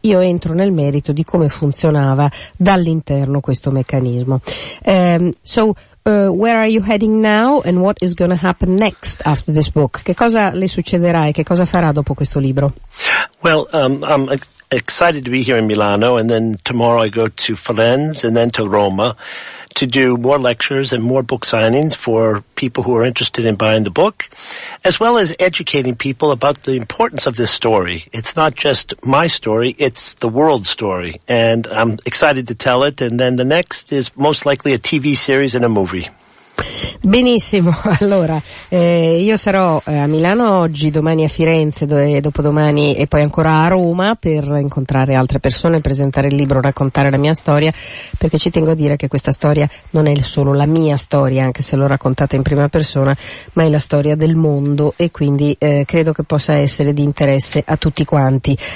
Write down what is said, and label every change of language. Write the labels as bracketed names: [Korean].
[Italian] Io entro nel merito di come funzionava dall'interno questo meccanismo. [English] Where are you heading now and what is going to happen next after this book? [Italian] Che cosa le succederà e che cosa farà dopo questo libro? [English] Well, I'm excited to be here in Milano, and then tomorrow I go to Firenze and then to Roma to do more lectures and more book signings for people who are interested in buying the book, as well as educating people about the importance of this story. It's not just my story, it's the world's story, and I'm excited to tell it, and then the next is most likely a TV series and a movie. [Italian] Benissimo, allora io sarò a Milano oggi, domani a Firenze, dopodomani e poi ancora a Roma per incontrare altre persone, presentare il libro, raccontare la mia storia, perché ci tengo a dire che questa storia non è solo la mia storia, anche se l'ho raccontata in prima persona, ma è la storia del mondo, e quindi credo che possa essere di interesse a tutti quanti.